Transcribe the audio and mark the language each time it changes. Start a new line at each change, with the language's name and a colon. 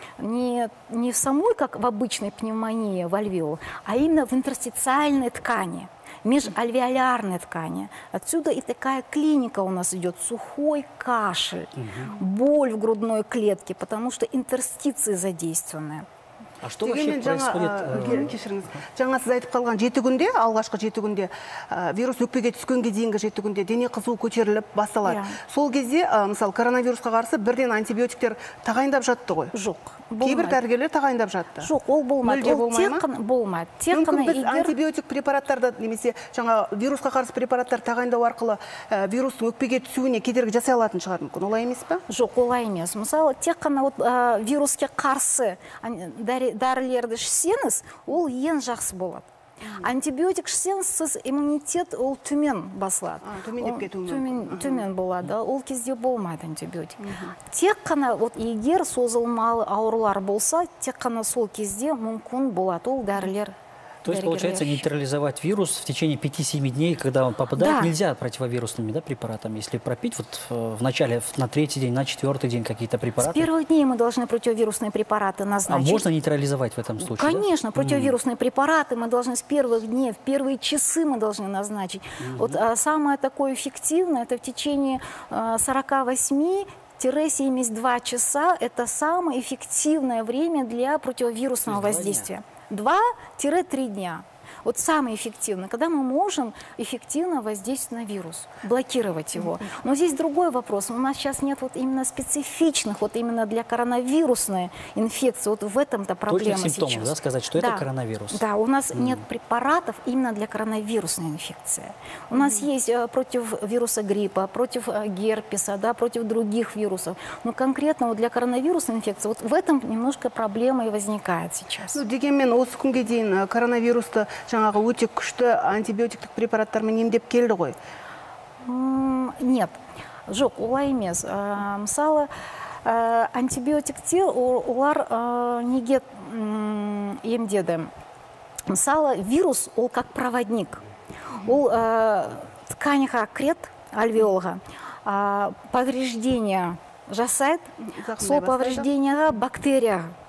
Russian: не в самой, как в обычной пневмонии, в альвеолу, а именно в интерстициальной ткани, межальвеолярной ткани. Отсюда и такая клиника у нас идет, сухой кашель, боль в грудной клетке, потому что интерстиции задействованы. А что вообще происходит?
Kazakh: Вирус өкпеге түскенге дейінгі жеті күнде дене қызуы көтеріліп басталады. Сол кезде, мысалы, коронавирусқа қарсы бірден антибиотиктер тағайындап жатты ғой. Жоқ. Кейбір дәрігерлер тағайындап жатты. Жоқ, ол болмайды. Ол тек болмайды. Мүмкін біз антибиотик препараттарды, немесе жаңа вирусқа қарсы препараттар тағайындау арқылы вирустың өкпеге түсуіне кедергі жасай алатын шығар мүмкін. Олай емес пе? Жоқ, олай емес. Мысалы, тек қана вирусқа қарсы дәрілерді ішсеңіз, ол ең жақсы болады. Антибиотик шенсіз иммунитет ол төмен басылады. Төмен болады. Ол кезде болмайды антибиотик. Тек қана егер созылмалы аурулар болса, тек қана сол кезде мүмкін болады ол дәрілер.
Russian: То есть, получается, нейтрализовать вирус в течение 5-7 дней, когда он попадает, да. Нельзя противовирусными, да, препаратами, если пропить вот в начале, на третий день, на четвертый день какие-то препараты? С первых дней мы должны противовирусные препараты назначить. А можно нейтрализовать в этом случае? Конечно, да? Противовирусные препараты мы должны с первых дней, в первые часы мы должны назначить. Вот самое такое эффективное, это в течение 48-72 часа, это самое эффективное время для противовирусного воздействия. 2-3 дня. Вот самое эффективное, когда мы можем эффективно воздействовать на вирус, блокировать его. Но здесь другой вопрос. У нас сейчас нет вот именно специфичных, вот именно для коронавирусной инфекции. Вот в этом-то проблема сейчас. Точных симптомов, да, сказать, что это коронавирус. Да, у нас нет препаратов именно для коронавирусной инфекции. У нас есть против вируса гриппа, против герпеса, да, против других вирусов. Но конкретно вот для коронавирусной инфекции, вот в этом немножко проблема и возникает сейчас.
Kazakh: Ну, дегенмен, осы күнге дейін коронавирус-то жаңағы өте күшті антибиотиктік препараттармен емдеп келді ғой. Нет, жоқ, олай емес. Мысалы, антибиотикте олар неге емдеді. Мысалы, вирус, ол
Russian: как проводник.
Kazakh: Ол тканьға кірет, альвеолға, повреждение жасайды, сол повреждениеға бактерия.